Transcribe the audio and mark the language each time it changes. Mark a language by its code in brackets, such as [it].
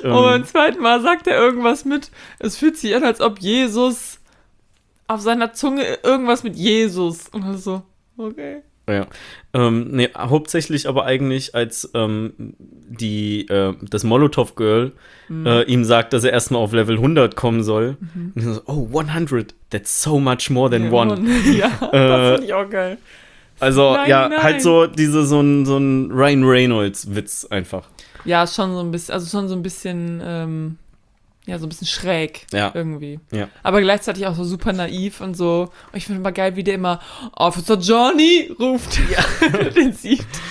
[de] Und beim zweiten Mal sagt er irgendwas mit, es fühlt sich an, als ob Jesus auf seiner Zunge irgendwas mit Jesus. Und dann so, okay. Ja, nee, hauptsächlich aber eigentlich, als das Molotov-Girl ihm sagt, dass er erstmal auf Level 100 kommen soll. Mhm. Und so, [en] oh, 100, that's so much more than one. [de] Ja, das finde ich auch geil. Also, halt so diese so ein Ryan Reynolds-Witz einfach. Ja, schon so ein bisschen, ja, so ein bisschen schräg irgendwie. Ja. Aber gleichzeitig auch so super naiv und so. Und ich finde immer geil, wie der immer Officer Johnny ruft, den sieht.